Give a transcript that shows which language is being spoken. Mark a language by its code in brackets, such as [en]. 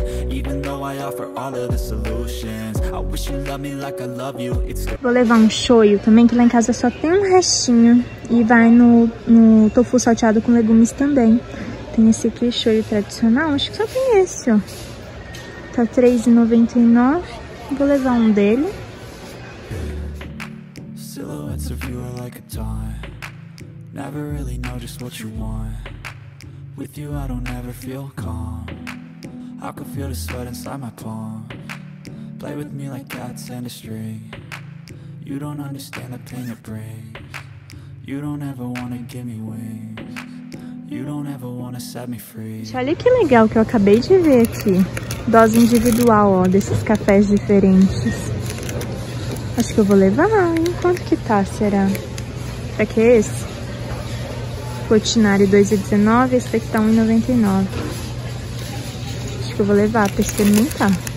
[en] Even though I offer all of the solutions, I wish you loved me like I love you. It's... [pt] Vou levar um shoyu também, que lá em casa só tem um restinho. E vai no tofu salteado com legumes também. tem esse aqui, shoyu tradicional. Acho que só tem esse, ó. Tá R$3,99. Vou levar um dele. [en] Silhouettes of you are like a time. Never really know just what you want. With you I don't ever feel calm. I can feel the sweat inside my palm. Play with me like cats and a string. You don't understand the pain it brings. You don't ever wanna give me wings. You don't ever wanna set me free. [pt] Olha que legal que eu acabei de ver aqui. Dose individual, ó, desses cafés diferentes. Acho que eu vou levar, hein? Quanto que tá, será? Será que é esse? Cotinari R$2,19, esse daqui tá R$1,99. Acho que eu vou levar pra experimentar.